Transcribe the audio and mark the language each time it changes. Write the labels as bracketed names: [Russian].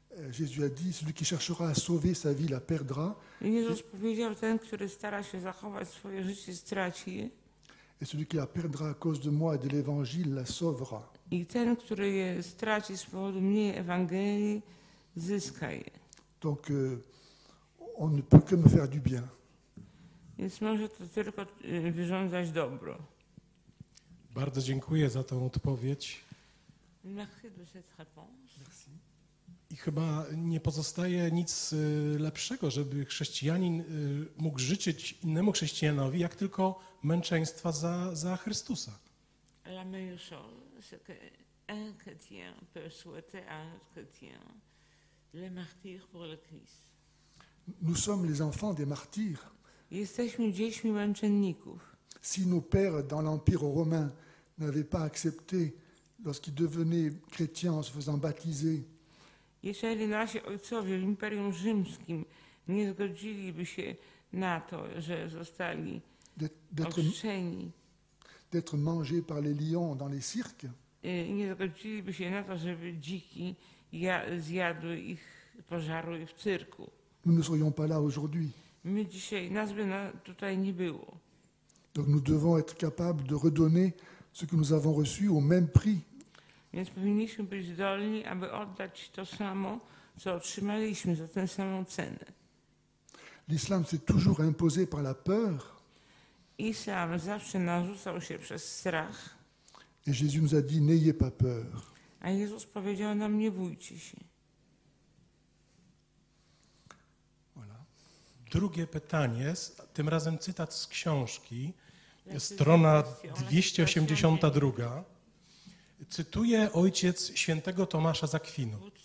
[French] Jésus a dit, celui qui cherchera à sauver sa vie la perdra. [Polish] Jezus powiedział, ten, który stara się zachować swoje życie, straci je. [French] Et celui qui la perdra à cause de moi et de l'Évangile la sauvera. [Polish] I ten, który je straci z powodu mnie, Ewangelii, zyska je. [French] Donc, on ne peut que me faire du bien. [Polish] Więc może to tylko wyrządzać dobro. Bardzo dziękuję za tą odpowiedź. [French] Merci de cette réponse. Merci. [Polish] I chyba nie pozostaje nic lepszego, żeby chrześcijanin mógł życzyć innemu chrześcijanowi, jak tylko męczeństwa za Chrystusa. [French] La meilleure chose, c'est qu'un chrétien peut souhaiter à un autre chrétien le martyr pour le Christ. Nous sommes les enfants des martyrs. [Polish] Jesteśmy dziećmi męczenników. [French] Si nos pères dans l'Empire romain n'avaient pas accepté lorsqu'ils devenaient chrétiens en se faisant baptiser. [Polish] Jeżeli nasi ojcowie w Imperium Rzymskim nie zgodziliby się na to, że zostali ochrzczeni. [French] D'être mangé par les lions dans les cirques. [Polish] Nie zgodziliby się na to, żeby dziki zjadły ich pożaru w cyrku. [French] Nous ne serions pas là aujourd'hui. [Polish] My dzisiaj, nas by tutaj nie było. [French] Donc nous devons être capables de redonner ce que nous avons reçu au même prix. [Polish] Więc powinniśmy być zdolni, aby oddać to samo, co otrzymaliśmy za tę samą cenę. [French] L'islam s'est toujours imposé par la peur. [Polish] Islam zawsze narzucał się przez strach. [French] Et Jésus nous a dit, n'ayez pas peur. [Polish] A Jezus powiedział nam, nie bójcie się. [French] Voilà. [Polish] Drugie pytanie, tym razem cytat z książki, strona 282. Cytuję ojciec świętego Tomasza z Akwinu.